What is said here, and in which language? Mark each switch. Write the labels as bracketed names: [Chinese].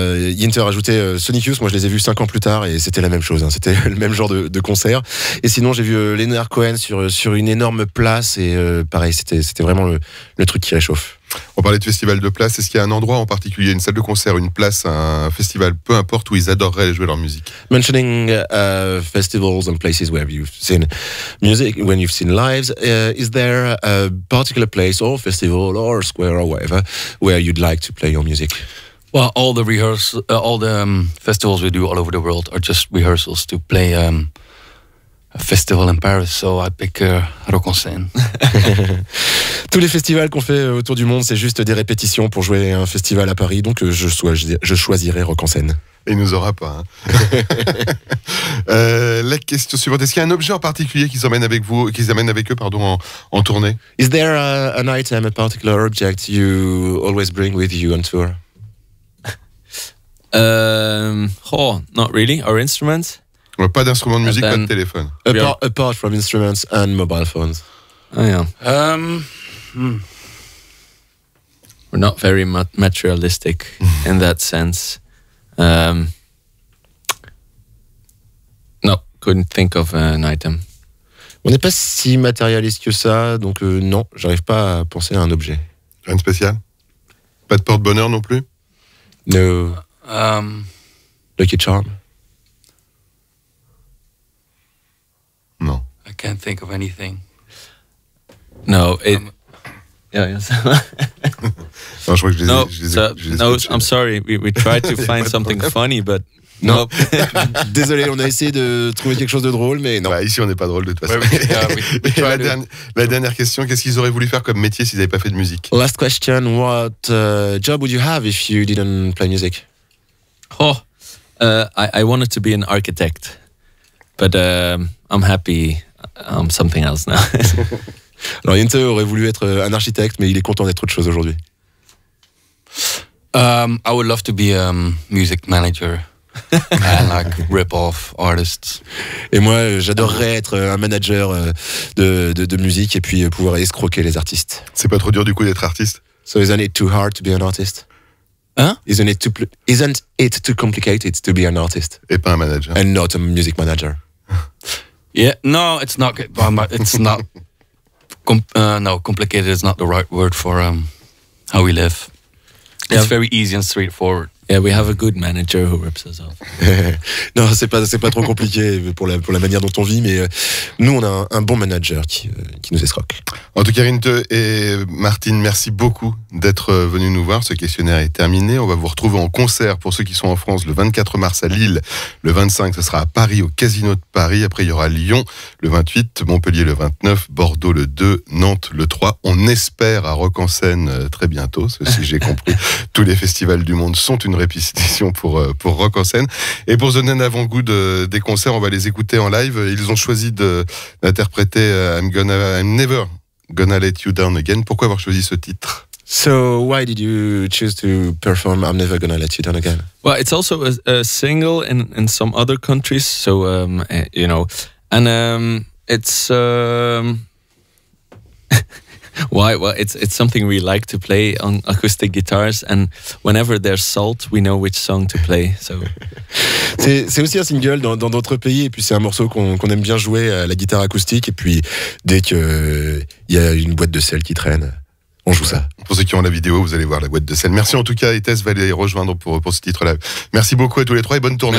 [French] Yinter a ajouté Sonic Youth, moi je les ai vus 5 ans plus tard et c'était la même chose, hein. C'était le même genre de concert. Et sinon j'ai vu Leonard Cohen sur une énorme place et pareil, c'était vraiment le truc qui réchauffe. On parlait de festival de place, est-ce qu'il y a un endroit en particulier, une salle de concert, une place, un festival, peu importe, où ils adoreraient jouer leur musique? [English] Mentioning festivals and places where you've seen music, when you've seen lives, is there a particular place or festival or square or whatever where you'd like to play your music? Well, all the rehearsals, all the festivals we do all over the world are just rehearsals to play festival in Paris, so I pick a rock on scène. [French] Tous les festivals qu'on fait autour du monde, c'est juste des répétitions pour jouer à un festival à Paris, donc je choisirai rock on scène. Il nous aura pas. Hein. la question suivante, est-ce qu'il y a un objet en particulier qu'ils emmènent avec vous, qu'ils amènent avec eux, pardon, en tournée? [English] Is there an item, a particular object you always bring with you on tour? Oh, not really. Our instruments. [French] Well, pas d'instruments de musique, then, pas de téléphone. [English] Apart from instruments and mobile phones. Oh yeah. We're not very materialistic in that sense. No, couldn't think of an item. [French] On n'est pas si matérialiste que ça, donc non, j'arrive pas à penser à un objet. Rien de spécial? Pas de porte-bonheur non plus? [English] No. Lucky Charm? [French] Non. [English] I can't think of anything. No, it... Yeah, yes. I'm sorry. We tried to find something funny, but no. Nope. [French] Désolé, on a essayé de trouver quelque chose de drôle, mais non. Bah, ici, on n'est pas drôle de toute façon. La dernière question, qu'est-ce qu'ils auraient voulu faire comme métier s'ils n'avaient pas fait de musique? [English] Last question, what job would you have if you didn't play music? Oh, I wanted to be an architect, but I'm happy I'm something else now. [French] Alors, Jente aurait voulu être un architecte, mais il est content d'être autre chose aujourd'hui. [English] I would love to be a music manager. I like rip off artists. [French] Et moi, j'adorerais être un manager de musique et puis pouvoir escroquer les artistes. C'est pas trop dur du coup d'être artiste? [English] So isn't it too hard to be an artist? Hein? Isn't it too complicated to be an artist? [French] Et pas un manager. [English] And not a music manager. Yeah, no, it's not good, but it's not... complicated is not the right word for how we live. It's very easy and straightforward. Yeah, we have a good manager who rips us off. [French] Non, c'est pas trop compliqué pour la manière dont on vit, mais nous on a un bon manager qui nous escroque. En tout cas, Rinte et Martine, merci beaucoup d'être venus nous voir. Ce questionnaire est terminé. On va vous retrouver en concert pour ceux qui sont en France le 24 mars à Lille, le 25 ce sera à Paris au Casino de Paris. Après, il y aura Lyon le 28, Montpellier le 29, Bordeaux le 2, Nantes le 3. On espère à Rock en Seine très bientôt. Si j'ai compris, tous les festivals du monde sont une répétition pour Rock en Seine. Et pour donner un avant-goût des concerts, on va les écouter en live. Ils ont choisi d'interpréter I'm Never Gonna Let You Down Again. Pourquoi avoir choisi ce titre? [English] So why did you choose to perform I'm Never Gonna Let You Down Again? Well, it's also a single in some other countries. So, you know, and it's... Why? Well, it's something we like to play on acoustic guitars, and whenever there's salt, we know which song to play. So, [French] c'est aussi un single dans d'autres pays, et puis c'est un morceau qu'on aime bien jouer à la guitare acoustique, et puis dès que il y a une boîte de sel qui traîne, on joue ça. Pour ceux qui ont la vidéo, vous allez voir la boîte de sel. Merci en tout cas, Etes va les rejoindre pour ce titre-là. Merci beaucoup à tous les trois et bonne tournée.